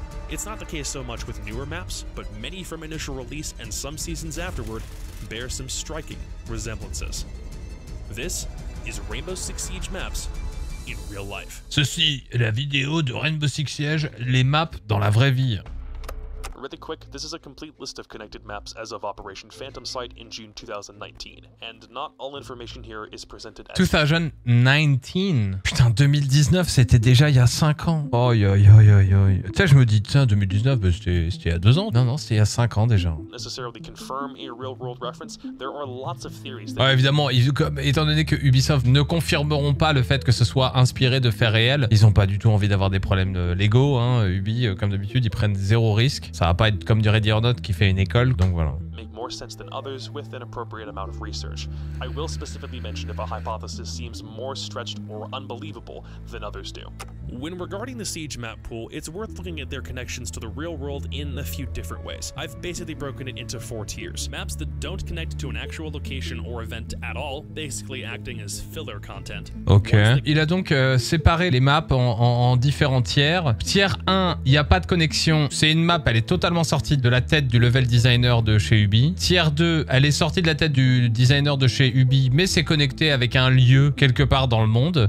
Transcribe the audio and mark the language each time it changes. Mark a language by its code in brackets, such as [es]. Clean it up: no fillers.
[en] It's not the case so much with newer maps, but many from initial release and some seasons afterward bear some striking resemblances. This is Rainbow Six Siege maps in real life. [fr] Ceci est la vidéo de Rainbow Six Siege, les maps dans la vraie vie. [en] Really quick, this is a complete list of connected maps as of Operation Phantom Sight in June 2019. And not all information here is presented as... [fr] 2019 ? Putain, 2019, c'était déjà il y a 5 ans. Oi, oi, oi, oi, oi. Tu sais, je me dis, tiens, 2019, bah, c'était il y a 2 ans. Non, c'était il y a 5 ans déjà. [en] Necessarily confirm a real world reference, there are lots of theories... [fr] Ouais, évidemment, étant donné que Ubisoft ne confirmeront pas le fait que ce soit inspiré de faits réels, ils ont pas du tout envie d'avoir des problèmes de Lego, hein. Ubi, comme d'habitude, ils prennent zéro risque. Ça va pas être comme du Ready or Not qui fait une école, donc voilà. [en] Make more sense than others with an appropriate amount of research. I will specifically mention if a hypothesis seems more stretched or unbelievable than others do. When regarding the Siege map pool, it's worth looking at their connections to the real world in a few different ways. I've basically broken it into four tiers. Maps that don't connect to an actual location or event at all, basically acting as filler content. [fr] Ok, il a donc séparé les maps en différents tiers. Tier 1, il n'y a pas de connexion. C'est une map, elle est totalement sortie de la tête du level designer de chez Ubi. Tier 2, elle est sortie de la tête du designer de chez Ubi, mais c'est connecté avec un lieu quelque part dans le monde.